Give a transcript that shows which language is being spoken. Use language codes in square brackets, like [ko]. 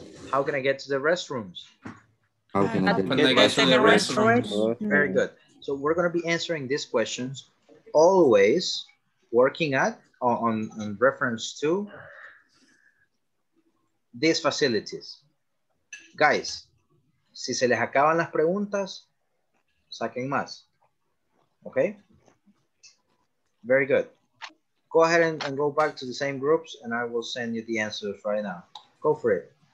[en] How can I get to the restrooms? How can I get to the restrooms? Very good. So we're going to be answering these questions always working at on reference to these facilities. [es] Guys, si se les acaban las preguntas, saquen más. [en] Okay? Very good. Go ahead and go back to the same groups and I will send you the answers right now. Go for it.